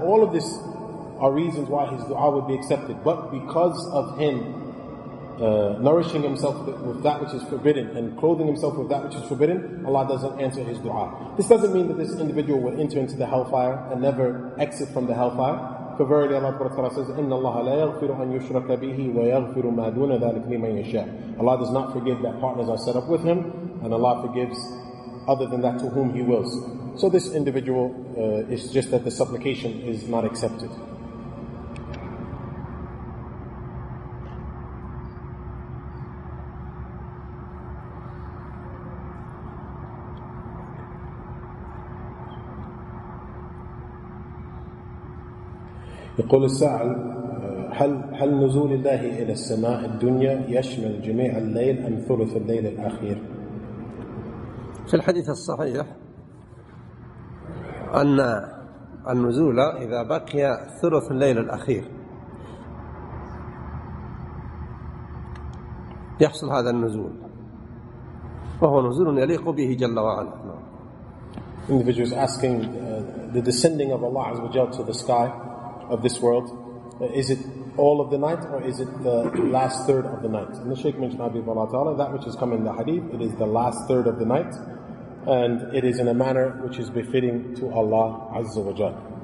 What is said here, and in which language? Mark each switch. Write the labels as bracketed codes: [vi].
[en] All of this are reasons why his dua would be accepted. But because of him nourishing himself with that which is forbidden and clothing himself with that which is forbidden, Allah doesn't answer his dua. This doesn't mean that this individual will enter into the hellfire and never exit from the hellfire. For verily Allah says, [ar] إِنَّ اللَّهَ لَا يَغْفِرُ أَنْ يُشْرَكَ بِهِ وَيَغْفِرُ مَا دُونَ ذَلِكَ لِمَنْ يَشَاءُ. [en] Allah does not forgive that partners are set up with him, and Allah forgives other than that to whom he wills. So this individual is just that the supplication is not accepted. [ar] يقول السائل هل نزول الله إلى السماء الدنيا يشمل جميع الليل أم ثلث الليل الأخير؟ في الحديث الصحيح أن النزول إذا بقي ثلث الليل الأخير يحصل هذا النزول، وهو نزول يليق به جل وعلا. [en] Individuals asking the descending of Allah Azza wa Jalla to the sky of this world, is it all of the night or is it the last third of the night? And the Shaykh mentioned Habibullah Ta'ala, that which has come in the hadith, it is the last third of the night, and it is in a manner which is befitting to Allah Azza wa Jal.